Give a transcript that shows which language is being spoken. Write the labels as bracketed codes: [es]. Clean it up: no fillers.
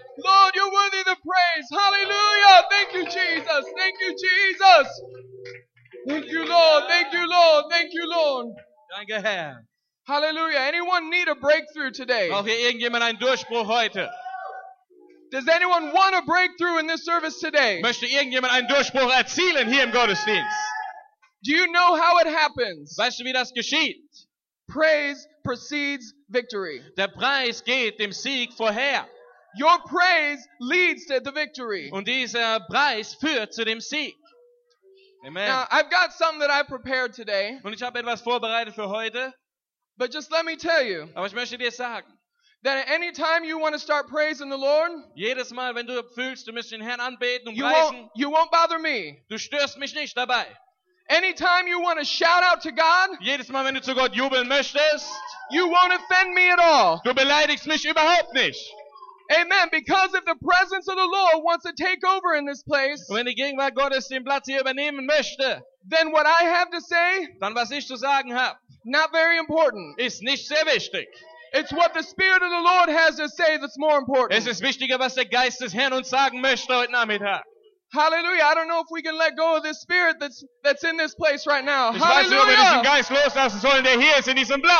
[en] Lord, you're worthy of praise. Hallelujah. Thank you, Jesus. Thank you, Jesus. Thank you, Lord. Thank you, Lord. Thank you, Lord. [de] Danke, Herr. Hallelujah. [en] Anyone need a breakthrough today? [de] Braucht hier irgendjemand einen Durchbruch heute? [en] Does anyone want a breakthrough in this service today? [de] Möchte irgendjemand einen Durchbruch erzielen hier im Gottesdienst? [en] Do you know how it happens? [de] Weißt du, wie das geschieht? [en] Praise precedes victory. [de] Der Preis geht dem Sieg vorher. [en] Your praise leads to the victory. [de] Und dieser Preis führt zu dem Sieg. Amen. [en] Now, I've got something that I prepared today. [de] Und ich habe etwas vorbereitet für heute. [en] But just let me tell you. [de] Aber ich möchte dir sagen, [en] that at any time you want to start praising the Lord, [de] jedes Mal, wenn du fühlst, du musst den Herrn anbeten und [en] you [de] preisen, [en] you won't bother me. [de] Du störst mich nicht dabei. [en] Anytime you want to shout out to God, [de] jedes Mal, wenn du zu Gott jubeln möchtest, [en] you won't offend me at all. [de] Du beleidigst mich überhaupt nicht. Amen. [en] Because if the presence of the Lord wants to take over in this place, [de] wenn die Gegenwart Gottes den Platz hier übernehmen möchte, [en] then what I have to say, [de] dann was ich zu sagen habe, [en] not very important. [de] Ist nicht sehr wichtig. [en] It's what the Spirit of the Lord has to say that's more important. [de] Es ist wichtiger, was der Geist des Herrn uns sagen möchte heute Nachmittag. Hallelujah. [en] I don't know if we can let go of this spirit that's in this place right now. [de] Ich Hallelujah. Weiß nicht, ob wir diesen Geist loslassen sollen, der hier ist in diesem Blatt.